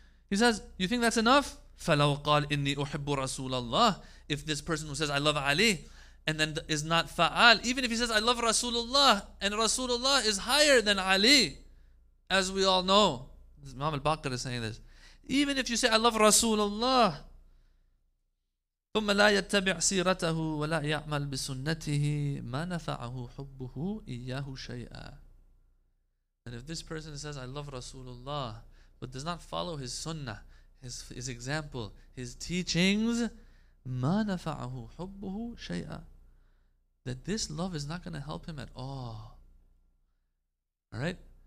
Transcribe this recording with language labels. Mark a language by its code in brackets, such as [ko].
[en] He says, you think that's enough? [ar] فَلَوْ قَالْ إِنِّي أُحِبُّ رَسُولَ اللَّهِ [en] If this person who says, I love Ali, and then is not fa'al, even if he says, I love Rasulullah, and Rasulullah is higher than Ali, as we all know. Imam al-Baqir is saying this. Even if you say, I love Rasulullah, [ar] ثم لا يتبع سيرته ولا يعمل بسنته ما نفعه حبه إياه شيئا. [en] And if this person says, I love Rasulullah, but does not follow his sunnah, his example, his teachings, [ar] ما نفعه حبه شيئا, [en] that this love is not going to help him at all. Alright?